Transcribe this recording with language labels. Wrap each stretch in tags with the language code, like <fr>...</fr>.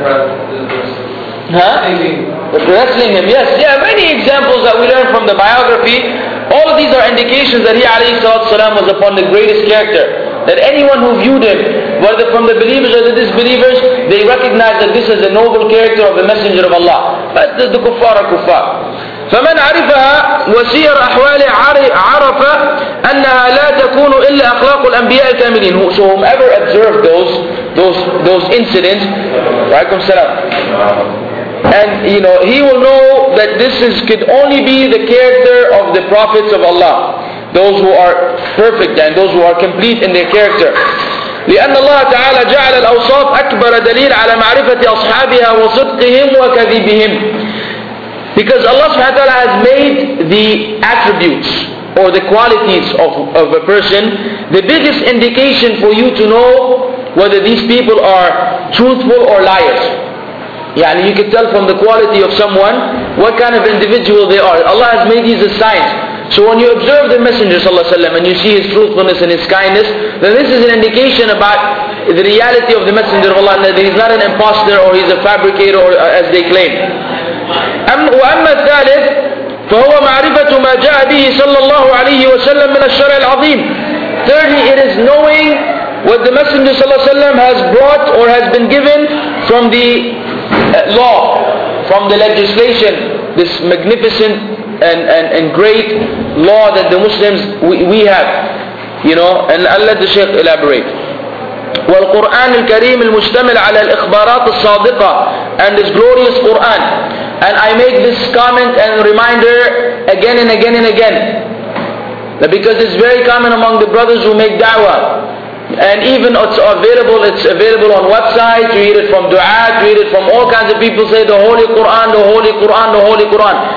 <en>breath. Huh? Wrestling him, yes. Yeah, many examples that we learn from the biography. All of these are indications that he alayhi salam was upon the greatest character. That anyone who viewed him, whether from the believers or the disbelievers, they recognize that this is a noble character of the Messenger of Allah. But the kuffar are kuffar.</en> <ar>فمن عرفها وسير أحوال عرف أنها لا تكون إلا أخلاق الأنبياء الكاملين.</ar> <en>So whoever observed those incidents, raikum salam, and you know, he will know that this is could only be the character of the prophets of Allah, those who are perfect and those who are complete in their character.</en> <ar>لأن الله تعالى جعل الأوصاف أكبر دليل على معرفة أصحابها وصدقهم وكذبهم.</ar> <en>Because Allah subhanahu wa ta'ala has made the attributes or the qualities of a person the biggest indication for you to know whether these people are truthful or liars. Yeah, and you can tell from the quality of someone what kind of individual they are. Allah has made these a science. So when you observe the Messenger sallallahu alayhi wa sallam and you see his truthfulness and his kindness, then this is an indication about the reality of the Messenger of Allah, that he's not an imposter or he's a fabricator or as they claim.</en> <ar>وأما الثالث فهو معرفة ما جاء به صلى الله عليه وسلم من الشرع العظيم.</ar> <en>Thirdly, it is knowing what the Messenger صلى الله عليه وسلم has brought or has been given from the law, from the legislation, this magnificent and great law that the Muslims we have, you know. And I'll let the Shaykh elaborate.</en> <ar>والقرآن الكريم المشتمل على الإخبارات الصادقة.</ar> <en>And this glorious Quran. And I make this comment and reminder again and again and again. That because it's very common among the brothers who make da'wah. And even it's available on websites, you read it from du'at, you read it from all kinds of people, say the Holy Quran, the Holy Quran, the Holy Quran.</en>